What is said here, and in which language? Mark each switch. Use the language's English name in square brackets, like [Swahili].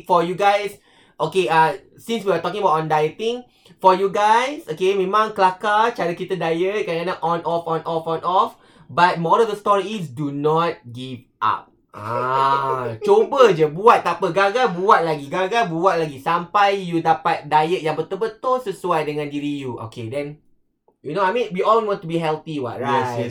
[English] Jadi, for you guys, okay, since we are talking about on dieting, for you guys, okay, [Malay] memang kelakar cara kita diet, kadang-kadang on, off, on, off, on, off. [English] But moral of the story is, do not give up. [Malay] cuba je, buat tak apa. Gagal, buat lagi. Gagal, buat lagi. Sampai you dapat diet yang betul-betul sesuai dengan diri you. [English] Okay, then, you know, I mean, we all want to be healthy, what, right?